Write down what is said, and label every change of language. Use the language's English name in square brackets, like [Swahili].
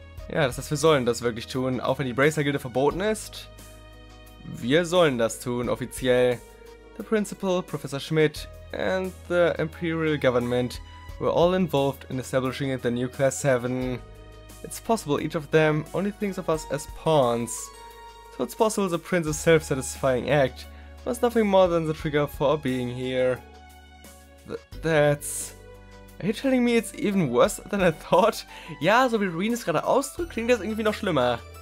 [German] Ja, das heißt, wir sollen das wirklich tun, auch wenn die Bracer-Gilde verboten ist. Wir sollen das tun, offiziell. [English] The Principal, Professor Schmidt and the Imperial Government were all involved in establishing the new Class 7. It's possible each of them only thinks of us as pawns. So it's possible the Prince's self-satisfying act was nothing more than the trigger for being here. Are you telling me it's even worse than I thought? [German] Ja, so wie Ruin es gerade ausdrückt, klingt das irgendwie noch schlimmer.